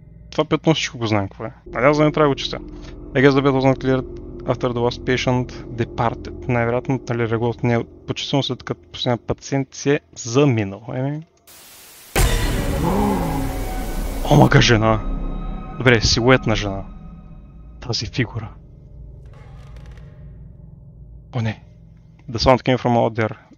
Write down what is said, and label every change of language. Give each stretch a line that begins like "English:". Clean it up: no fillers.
Bulgarian: Това петно всичко го знаем какво е. Али аз да не трябва да го чистя.
English: I guess the bed was not cleared after the last patient departed.
Bulgarian: Най-вероятно, нали, регулата не е почистено след като последния пациент си е заминал. Ами... Омага жена! Добре, силует на жена. Тази фигура. О, не.
English: The sound came from out there.